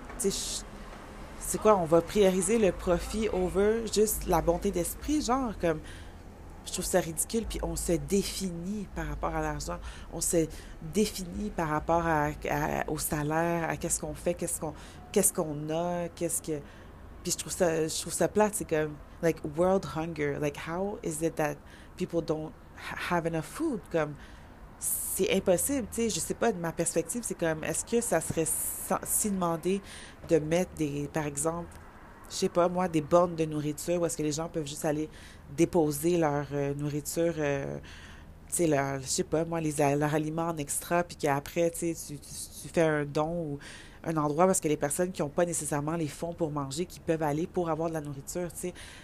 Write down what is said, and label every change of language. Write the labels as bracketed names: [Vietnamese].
[French] Tu sais, c'est quoi? On va prioriser le profit over juste la bonté d'esprit, genre, comme. Je trouve ça ridicule. Puis on se définit par rapport à l'argent. On se définit par rapport au salaire, à qu'est-ce qu'on fait, qu'est-ce qu'on a, qu'est-ce que. Puis je trouve ça plate. C'est comme, [English] like, world hunger. Like, how is it that people don't have enough food? [French] Comme, c'est impossible. Tu sais, je sais pas de ma perspective. C'est comme, est-ce que ça serait si demandé de mettre des, par exemple, je sais pas, moi, des bornes de nourriture où est-ce que les gens peuvent juste aller déposer leur nourriture, tu sais, leur, je sais pas, moi, leur aliment en extra, puis qu'après, tu sais, tu fais un don ou un endroit parce que les personnes qui n'ont pas nécessairement les fonds pour manger, qui peuvent aller pour avoir de la nourriture, tu sais.